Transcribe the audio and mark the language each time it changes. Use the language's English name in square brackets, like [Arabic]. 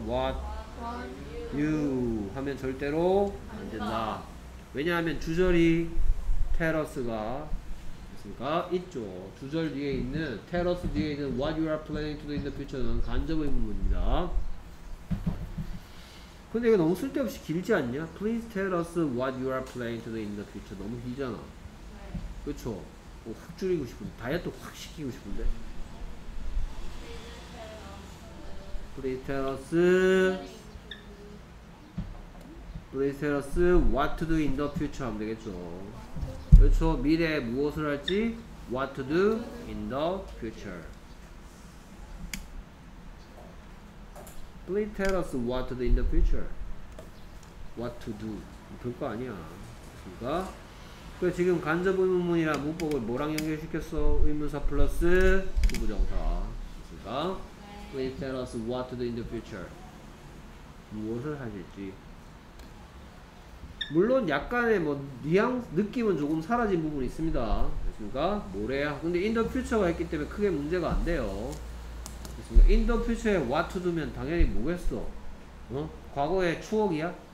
[English] What you [Korean] 하면 절대로 안 된다. 왜냐하면 주절이 tell us가 있습니까? 있죠. 주절 뒤에 있는 [English] tell us [Korean] 뒤에 있는 [English] what you are planning to do in the future는 [Korean] 간접의문입니다. 근데 이거 너무 쓸데없이 길지 않냐? [English] Please tell us what you are planning to do in the future. [Korean] 너무 길잖아. 네. 그쵸? 뭐 확 줄이고 싶은데, 다이어트 확 시키고 싶은데. [English] Please tell us. Please tell us what to do in the future [Korean] 하면 되겠죠. 그쵸? 미래에 무엇을 할지? [English] What to do in the future. Please tell us what to do in the future. What to do. [Korean] 그럴 거 아니야. 됐습니까? 그래서 지금 간접 의문문이란 문법을 뭐랑 연결시켰어? 의문사 플러스 부정사. 됐습니까? [English] Please tell us what to do in the future. [Korean] 무엇을 하실지. 물론 약간의 뭐 뉘앙스, 느낌은 조금 사라진 부분이 있습니다. 됐습니까? 뭐래야? 근데 [English] in the future [Korean] 가 있기 때문에 크게 문제가 안 돼요. [English] In the future [Korean] 에 [English] what to do [Korean] 면 당연히 뭐겠어? 어? 과거의 추억이야?